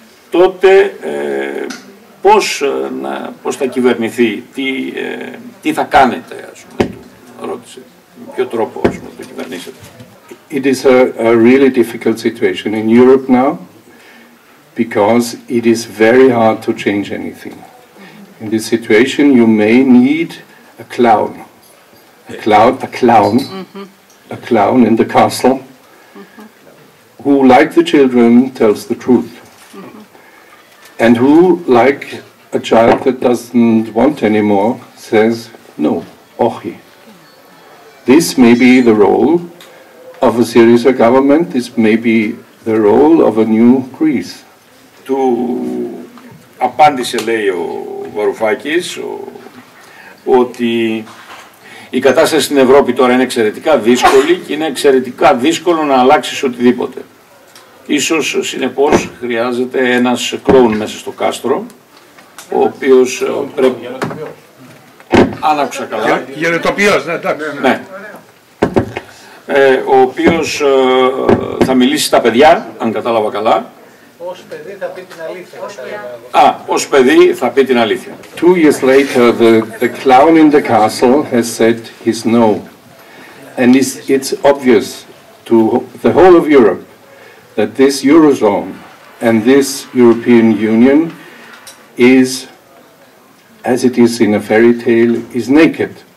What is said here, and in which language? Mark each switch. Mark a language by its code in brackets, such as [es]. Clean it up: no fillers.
[el] τότε πώς θα κυβερνηθεί, τι θα κάνετε, ας πούμε, του ρώτησε, με ποιο τρόπο, ας πούμε, το κυβερνήσετε. [en] It is a really difficult situation in Europe now, because it is very hard to change anything. In this situation you may need a clown. A clown in the castle, who, like the children, tells the truth, and who, like a child that doesn't want anymore, says no, ochi. This may be the role of a Syriza government, this may be the role of a new Greece. [el] του απάντησε, λέει ο Βαρουφάκης, ότι η κατάσταση στην Ευρώπη τώρα είναι εξαιρετικά δύσκολη και είναι εξαιρετικά δύσκολο να αλλάξεις οτιδήποτε. Ίσως συνεπώς χρειάζεται ένας κλόουν μέσα στο κάστρο, ο οποίος πρέπει... Αν άκουσα καλά. Γενετοποιός, ναι, εντάξει. Ναι. Ο οποίος θα μιλήσει στα παιδιά, αν κατάλαβα καλά. Ως παιδί θα πει την αλήθεια. Ως παιδί θα πει την αλήθεια. [en] 2 years later, the clown in the castle has said his no. And it's obvious to the whole of Europe that this Eurozone and this European Union is, as it is in a fairy tale, is naked.